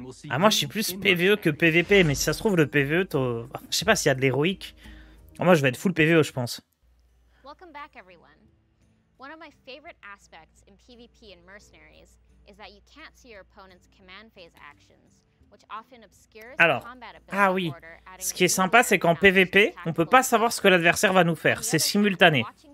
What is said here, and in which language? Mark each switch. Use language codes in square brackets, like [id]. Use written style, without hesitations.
[fr] Ah, moi je suis plus PVE que PVP, mais si ça se trouve le PVE, je sais pas s'il y a de l'héroïque. Oh, moi je vais être full PVE, je pense. [en] Welcome back everyone. One of my favorite aspects in PVP and mercenaries is that you can't see your opponent's command phase actions, which often obscures combat ability. Ah oui. [fr] Ce qui est sympa, c'est qu'en PVP, on peut pas savoir ce que l'adversaire va nous faire, c'est simultané.